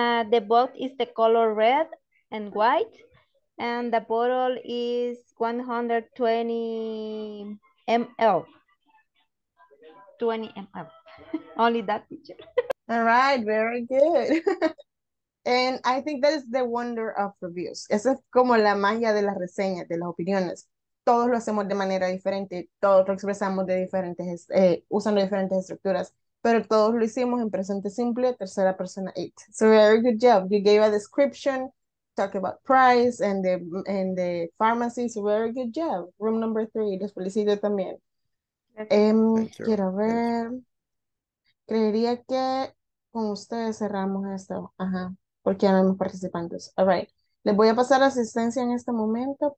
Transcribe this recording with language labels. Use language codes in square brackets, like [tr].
[en] The box is the color red and white, and the bottle is 120 ml. Only that picture. All right, very good. And I think that is the wonder of reviews. [es] Esa es como la magia de las reseñas, de las opiniones. Todos lo hacemos de manera diferente, todos lo expresamos de diferentes, usando diferentes estructuras, pero todos lo hicimos en presente simple, tercera persona, it. [en] So very good job. You gave a description, talk about price and the pharmacy. So very good job. Room number three, los felicito también. [es] Quiero ver, creería que con ustedes cerramos esto. Ajá, porque ya no hemos participantes. [en] All right. [es] Les voy a pasar asistencia en este momento.